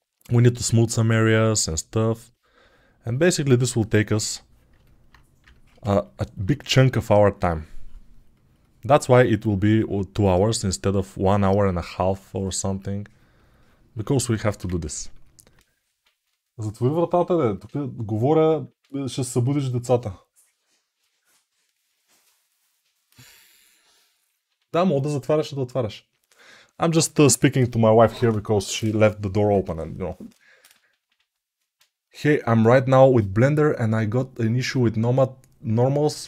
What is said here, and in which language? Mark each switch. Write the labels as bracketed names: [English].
[English] We need to smooth some areas and stuff, and basically this will take us a big chunk of our time, That's why it will be 2 hours instead of 1 hour and a half or something. Because we have to do this. [Bulgarian] Затвори вратата, де. Тук говоря, ще събудиш децата. Да, мога да затваряш, да отваряш. [English] I'm just speaking to my wife here because she left the door open and, you know. Hey, I'm right now with Blender and I got an issue with Nomad normals.